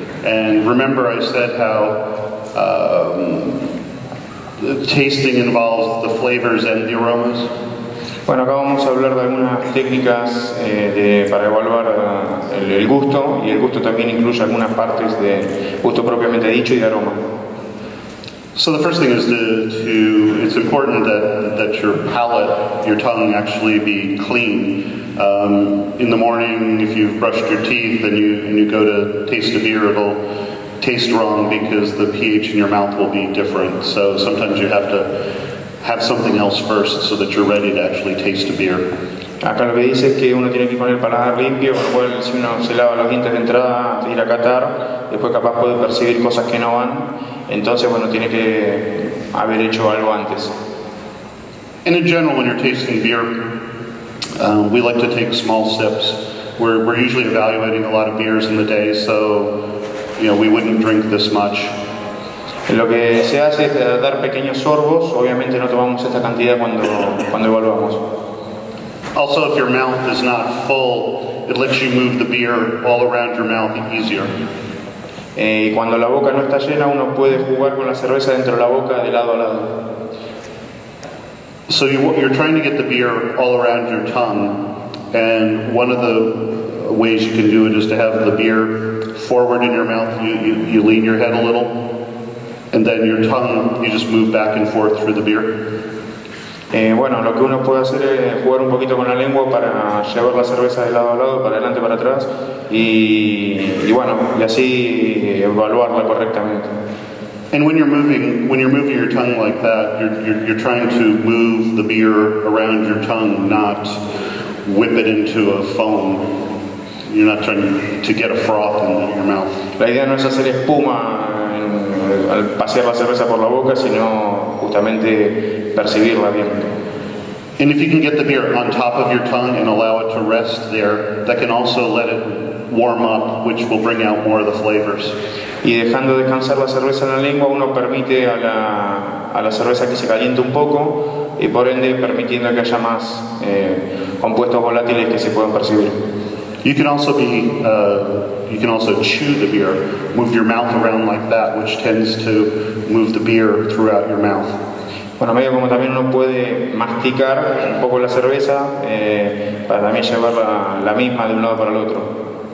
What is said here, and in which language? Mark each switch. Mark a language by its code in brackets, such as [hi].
[en] And remember I said how tasting involves the flavors and the aromas? [es] Bueno, acá vamos a hablar de algunas técnicas para evaluar el gusto, y el gusto también incluye algunas partes de gusto propiamente dicho y de aroma. [en] So the first thing is it's important that your palate, your tongue, actually be clean. In the morning, if you've brushed your teeth and you go to taste a beer, it'll taste wrong because the pH in your mouth will be different. So sometimes you have to have something else first so that you're ready to actually taste a beer. [es] Acá lo que dice es que uno tiene que poner el paladar limpio, por lo cual si uno se lava los dientes de entrada antes de ir a catar, después capaz puede percibir cosas que no van. Entonces, bueno, tiene que haber hecho algo antes. [en] In general, when you're tasting beer, we like to take small sips. We're usually evaluating a lot of beers in the day, so you know, we wouldn't drink this much. [es] Lo que se hace es dar pequeños sorbos. Obviamente no tomamos esta cantidad cuando evaluamos. [en] Also, if your mouth is not full, it lets you move the beer all around your mouth easier. [es] Y cuando la boca no está llena, uno puede jugar con la cerveza dentro de la boca de lado a lado. [en] So you're trying to get the beer all around your tongue, and one of the ways you can do it is to have the beer forward in your mouth. You lean your head a little, and then your tongue, you just move back and forth through the beer. [es] Bueno, lo que uno puede hacer es jugar un poquito con la lengua para llevar la cerveza de lado a lado, para adelante, para atrás, y bueno, y así evaluarla correctamente. [en] And when you're moving your tongue like that, you're trying to move the beer around your tongue, not whip it into a foam. You're not trying to get a froth in your mouth. [es] La idea no es hacer espuma al pasear la cerveza por la boca, sino justamente percibirla bien. [en] And if you can get the beer on top of your tongue and allow it to rest there, that can also let it warm up, which will bring out more of the flavors. [es] Y dejando descansar la cerveza en la lengua, uno permite a la cerveza que se caliente un poco, y por ende permitiendo que haya más compuestos volátiles que se puedan percibir. [en] You can also be you can also chew the beer, move your mouth around like that, which tends to move the beer throughout your mouth. [es] Bueno, medio como también uno puede masticar un poco la cerveza para también llevar la misma de un lado para el otro.